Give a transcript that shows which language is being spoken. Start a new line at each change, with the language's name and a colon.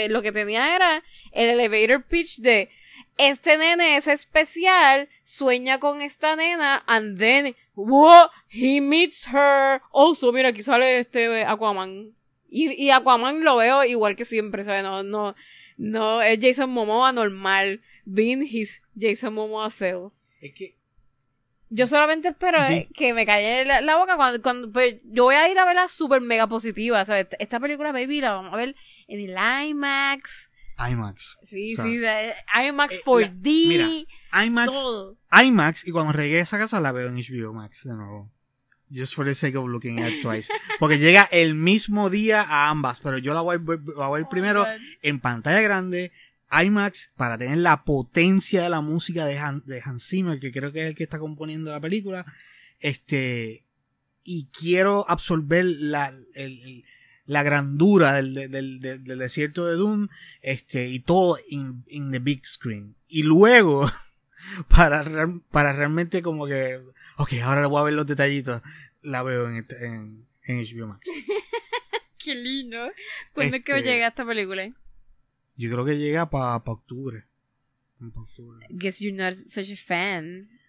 Spanish: Lo que tenía era el elevator pitch de este nene es especial, sueña con esta nena,
English: and then, he meets her. Also,
Spanish: mira, aquí sale Aquaman. Y Aquaman lo veo igual que siempre, ¿sabes? No, es Jason Momoa normal,
English: being his Jason Momoa self.
Spanish: Es que... Yo solamente espero que me calle la boca cuando pues, yo voy a ir a verla super mega positiva, ¿sabes? Esta película, baby, la vamos a ver en el IMAX. IMAX. Sí, o sea, sí, IMAX 4D. Mira, IMAX, todo. IMAX, y cuando regrese a casa la veo en HBO Max de nuevo.
English: Just for the sake of looking at twice.
Spanish: Porque llega el mismo día a ambas, pero yo la voy a ver primero en pantalla grande, IMAX, para tener la potencia de la música de Hans Zimmer, que creo que es el que está componiendo la película. Y quiero absorber la grandura del desierto de Dune, y todo
English: in the big screen.
Spanish: Y luego, para realmente como que, ok, ahora voy a ver los detallitos, la veo en HBO Max. Qué lindo. ¿Cuándo es que llega esta película? Yo creo que llega para octubre.
English: Guess you're not such a fan.